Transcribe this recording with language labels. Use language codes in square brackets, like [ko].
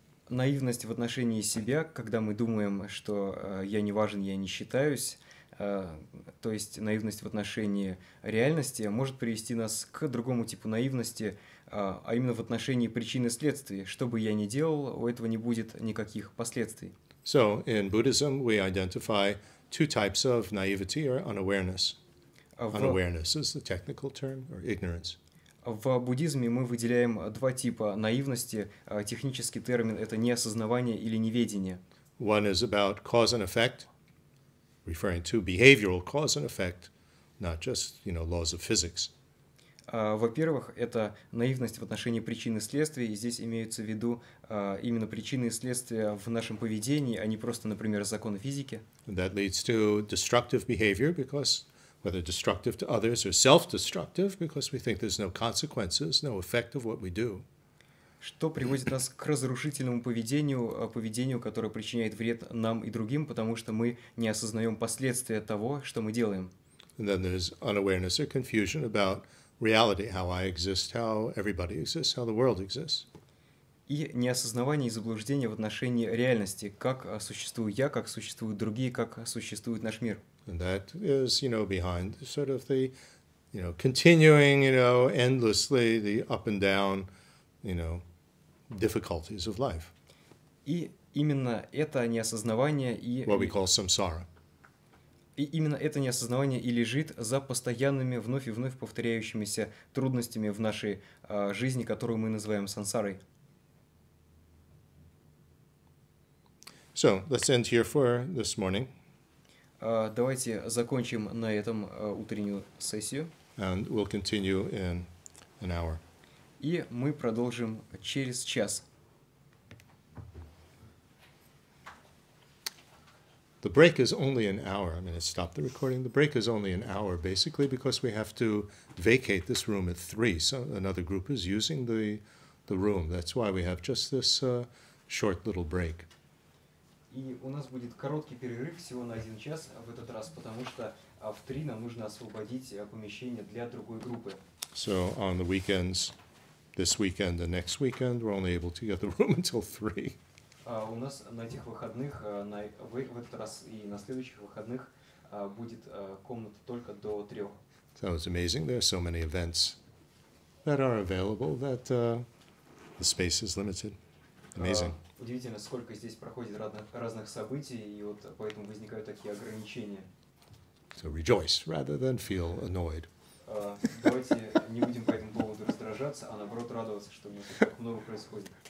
[ru] Наивность в отношении себя, когда мы думаем, что я не важен, я не считаюсь, то есть наивность в отношении реальности может привести нас к другому типу наивности, а именно в отношении причин и следствий. Что бы я ни делал, у этого не будет никаких последствий. [en] So, in Buddhism, we identify two types of naivety or unawareness. Unawareness is the technical term, or ignorance. [ru] В буддизме мы выделяем два типа наивности. Технический термин — это неосознавание или неведение. [en] One is about cause and effect, referring to behavioral cause and effect, not just, you know, laws of physics. [ru] Во-первых, это наивность в отношении причин и следствий, и здесь имеются в виду именно причины и следствия в нашем поведении, а не просто, например, законы физики. [en] And that leads to destructive behavior, because whether destructive to others or self-destructive, because we think there's no consequences, no effect of what we do. [ru] Что приводит нас к разрушительному поведению, поведению, которое причиняет вред нам и другим, потому что мы не осознаем последствия того, что мы делаем. [en] And then there's unawareness or confusion about reality, how I exist, how everybody exists, how the world exists. [ru] И неосознавание и заблуждение в отношении реальности, как существую я, как существуют другие, как существует наш мир. [en] And that is, you know, behind sort of the, you know, continuing, you know, endlessly the up and down, you know, difficulties of life. [ru] И именно это неосознавание и... [en] What we call samsara. [ru] И именно это неосознавание и лежит за постоянными, вновь и вновь повторяющимися трудностями в нашей жизни, которую мы называем сансарой. [en] So, let's end here for this morning. [ru] Давайте закончим на этом утреннюю сессию. [en] And we'll continue in an hour. [ru] И мы продолжим через час. [en] The break is only an hour. I'm going to stop the recording. The break is only an hour, basically, because we have to vacate this room at 3. So another group is using the room. That's why we have just this short little break. [ru] И у нас будет короткий перерыв всего на 1 час в этот раз, потому что в 3 нам нужно освободить помещение для другой группы. [en] So on the weekends, this weekend and next weekend, we're only able to get the room until 3. [ru] У нас на этих выходных, в этот раз и на следующих выходных, будет комната только до 3. [en] So it's amazing, there are so many events that are available that the space is limited. Amazing. [ru] Удивительно, сколько здесь проходит разных событий, и вот поэтому возникают такие ограничения. [en] So rejoice rather than feel annoyed. [ru] Давайте не будем по этому поводу раздражаться, а наоборот радоваться, что у нас так много происходит.